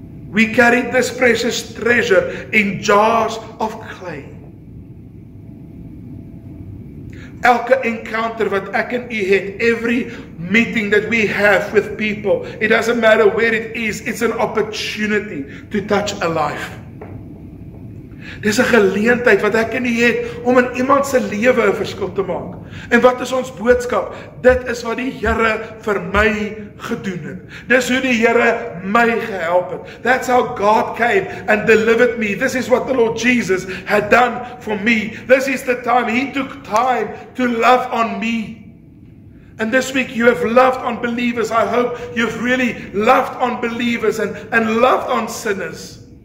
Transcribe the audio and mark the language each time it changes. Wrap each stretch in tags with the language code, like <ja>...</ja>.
<en>We carry this precious treasure in jars of clay.</en> <af>Elke encounter wat ek en u het,</af> <en>every meeting that we have with people, it doesn't matter where it is, it's an opportunity to touch a life.</en> <af>Dis 'n geleentheid wat ek in u het om in iemand se lewe 'n verskil te maak. En wat is ons boodskap? Dit is wat die Here vir my gedoen het. Dis hoe die Here my gehelp het.</af> <en>That's how God came and delivered me. This is what the Lord Jesus had done for me. This is the time he took time to love on me. And this week you have loved on believers. I hope you've really loved on believers and loved on sinners.</en>